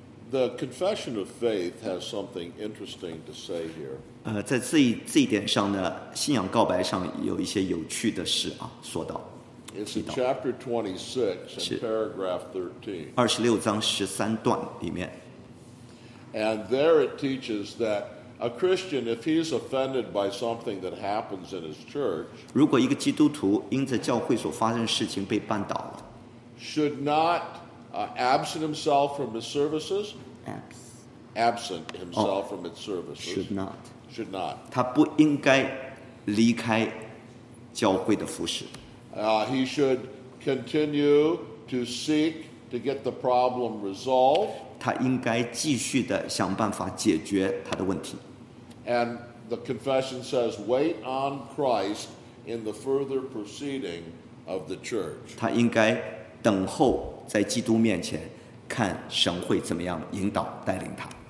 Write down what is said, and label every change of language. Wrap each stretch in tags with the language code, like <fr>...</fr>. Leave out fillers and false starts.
<en>The confession of faith has something interesting to say here.</en> <zh>在这一点上呢，信仰告白上有一些有趣的事啊，说到。</zh> <en>It's in chapter 26 and paragraph 13.</en> <zh>二十六章十三段里面。</zh> <en>And there it teaches that a Christian, if he is offended by something that happens in his church,</en> <zh>如果一个基督徒因着教会所发生的事情被绊倒了。</zh> <en>Should not absent himself from his services? Absent himself from his services. Should not. Should not.</en> <zh>他不应该离开教会的服事。</zh> <en>He should continue to seek to get the problem resolved.</en> <zh>他应该继续的想办法解决他的问题。</zh> <en>And the confession says, wait on Christ in the further proceeding of the church.</en> <zh>他应该等候在基督面前，看神会怎么样引导带领他。</zh>